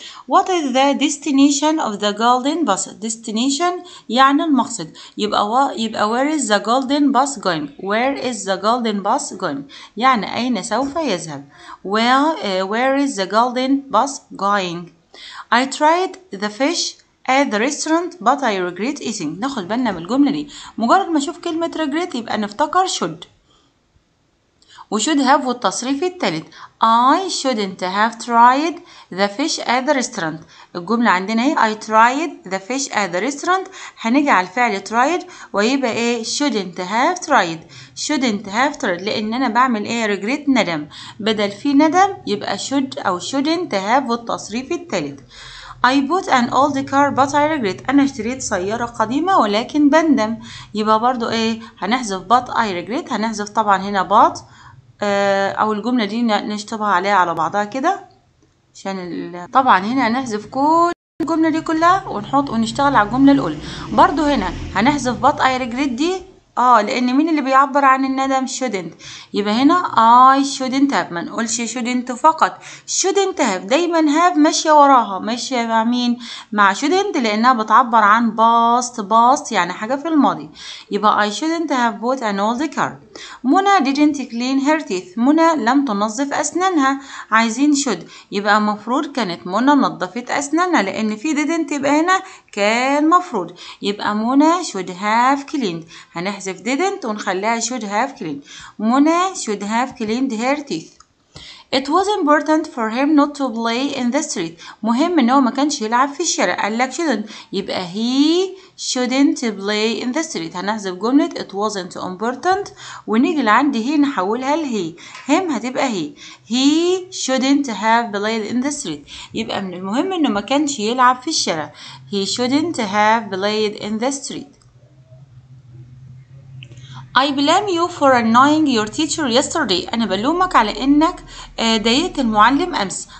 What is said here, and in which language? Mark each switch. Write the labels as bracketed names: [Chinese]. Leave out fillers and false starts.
[English] What is the destination of the golden bus? [Arabic] destination يعني المقصد. [English] يبقى where is the golden bus going? where is the golden bus going؟ [Arabic] يعني أين سوف يذهب؟ [English] where is the golden bus going؟ I tried the fish at the restaurant but I regret eating. [Arabic] ناخد بالنا من الجملة دي، مجرد ما أشوف كلمة regret يبقى نفتكر should. وشود هاف والتصريف الثالث [English] I shouldn't have tried the fish at the restaurant. [Arabic] الجملة عندنا ايه؟ [English] I tried the fish at the restaurant. هنجي على الفعل tried [Arabic] ويبقى ايه؟ [English] shouldn't have tried. shouldn't have tried [Arabic] لان انا بعمل ايه؟ regret ندم، بدل في ندم يبقى should او shouldn't have والتصريف الثالث. [English] I bought an old car but I regret. [Arabic] أنا اشتريت سيارة قديمة ولكن بندم. يبقى برضو ايه؟ هنحذف [English] but I regret، [Arabic] هنحذف طبعا هنا but أو الجملة دي نشطبها عليها على بعضها كده، عشان طبعا هنا هنحذف كل الجملة دي كلها ونحط ونشتغل على الجملة الأولى. برضو هنا هنحذف [English] but I regret [Arabic] دي، لأن مين اللي بيعبر عن الندم؟ shouldn't. يبقى هنا [English] I shouldn't have، [Arabic] ما نقولش shouldn't فقط، shouldn't have دايما have ماشية وراها، ماشية مع مين؟ مع shouldn't، لأنها بتعبر عن past. past يعني حاجة في الماضي. [English] يبقى I shouldn't have bought an old car. Mona didn't clean her teeth. [Arabic] منى لم تنظف أسنانها. عايزين should، يبقى مفروض كانت منى نظفت أسنانها، لأن في didn't يبقى هنا كان مفروض. يبقى منى [English] should have cleaned، [Arabic] هنحذف didn't ونخليها should have cleaned. [English] Mona should have cleaned her teeth. It was important for him not to play in the street. [Arabic] مهم ان هو ما كانش يلعب في الشارع. قال لك [English] shouldn't، يبقى he shouldn't play in the street. [Arabic] هنحذف جملة [English] it wasn't important [Arabic] ونيجي لعند he نحولها ل he. him هتبقى he. [English] he shouldn't have played in the street. [Arabic] يبقى من المهم انه ما كانش يلعب في الشارع. [English] he shouldn't have played in the street. I blame you for annoying your teacher yesterday. [Arabic] أنا بلومك على إنك ضايقت المعلم أمس.